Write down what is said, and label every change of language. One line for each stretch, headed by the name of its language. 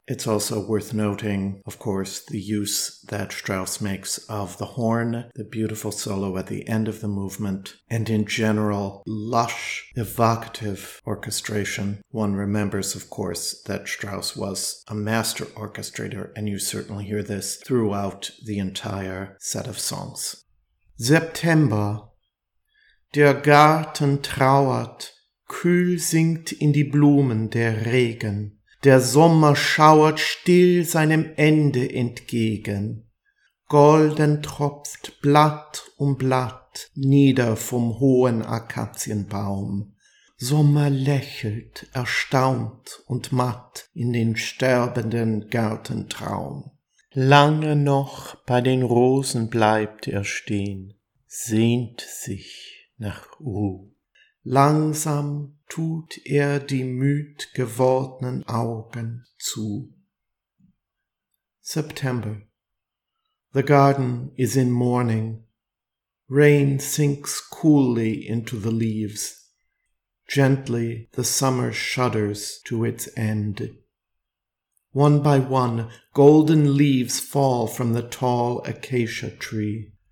English: It's also worth noting, of course, the use that Strauss makes of the horn, the beautiful solo at the end of the movement, and in general, lush, evocative orchestration. One remembers, of course, that Strauss was a master orchestrator, and you certainly hear this throughout the entire set of songs.
German: September, der Garten trauert, kühl sinkt in die Blumen der Regen. Der Sommer schauert still seinem Ende entgegen. Golden tropft Blatt um Blatt nieder vom hohen Akazienbaum. Sommer lächelt erstaunt und matt in den sterbenden Gartentraum. Lange noch bei den Rosen bleibt er stehen, sehnt sich nach Ruh. Langsam tut er die müd gewordenen Augen zu. September.
English: The garden is in mourning. Rain sinks coolly into the leaves. Gently the summer shudders to its end. One by one, golden leaves fall from the tall acacia tree.